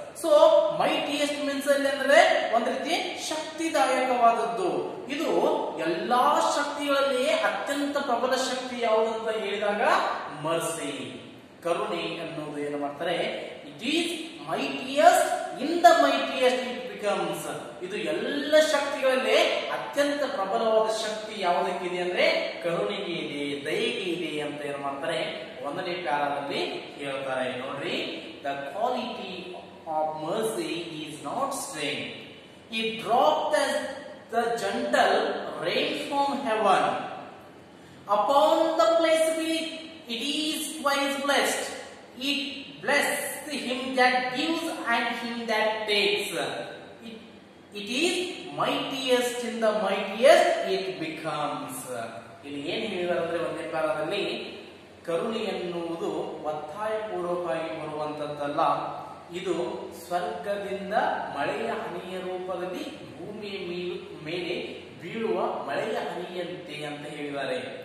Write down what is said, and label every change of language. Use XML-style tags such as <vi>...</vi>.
<en>so mightiest means</en> <kn>ಅಲ್ಲಿ ಅಂದ್ರೆ ಒಂದ್ ರೀತಿ ಶಕ್ತಿದಾಯಕವಾದದ್ದು, ಇದು ಎಲ್ಲಾ ಶಕ್ತಿಗಳಲ್ಲಿಯೇ ಅತ್ಯಂತ ಪ್ರಬಲ ಶಕ್ತಿ ಯಾವುದಂತ ಹೇಳಿದಾಗ ಮರ್ಸಿ, ಕರುಣೆ ಅನ್ನೋದು ಏನು ಮಾಡ್ತಾರೆ.</kn> <en>it is mightiest in the mightiest it becomes,</en> <kn>ಇದು ಎಲ್ಲ ಶಕ್ತಿಗಳಲ್ಲಿ ಅತ್ಯಂತ ಪ್ರಬಲವಾದ ಶಕ್ತಿ ಯಾವುದಕ್ಕೆ ಇದೆ ಅಂದ್ರೆ, ಕರುಣೆಗೆ ಇದೆ, ದಯೆಗೆ ಇದೆ ಅಂತ ಏನು ಮಾಡ್ತಾರೆ ಒಂದನೇ ಪ್ಯಾರಾದಲ್ಲಿ ಹೇಳ್ತಾರೆ ನೋಡ್ರಿ.</kn> <en>the quality of mercy is not strained. It dropped as the gentle rain from heaven upon the place which it is twice blessed. It blesses him that gives and him that takes. It is mightiest in the mightiest it becomes.</en> <kn>ಇಲ್ಲಿ ಏನು ಹೇಳಿದಾರೆ ಒಂದೇ ಕಾಲದಲ್ಲಿ ಕರುಣೆ ಎನ್ನುವುದು ಒತ್ತಾಯ ಪೂರ್ವಕವಾಗಿ ಬರುವಂತದ್ದಲ್ಲ, ಇದು ಸ್ವರ್ಗದಿಂದ ಮಳೆಯ ಹನಿಯ ರೂಪದಲ್ಲಿ ಭೂಮಿಯ ಮೇಲೆ ಬೀಳುವ ಮಳೆಯ ಹನಿಯಂತೆ ಅಂತ ಹೇಳಿದ್ದಾರೆ.</kn>